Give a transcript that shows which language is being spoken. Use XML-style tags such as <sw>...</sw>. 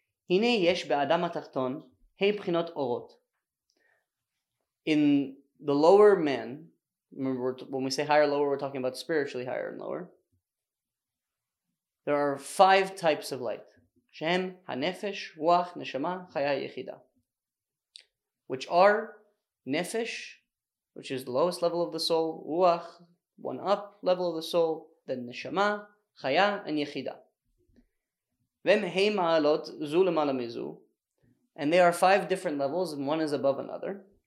<he>הנה יש באדם התחתון היי בחינות אורות.</he> <en>In the lower man, remember when we say higher lower, we're talking about spiritually higher and lower. There are five types of light.</en> <he>שהם הנפש, רוח, נשמה, חיה יחידה.</he> <en>Which are nefesh, which is the lowest level of the soul, ruach, one up level of the soul, then neshama, chaya, and yechida.</en> <he>Vem hei ma'alot zu lemala mizu,</he> <en>and they are five different levels, and one is above another.</en>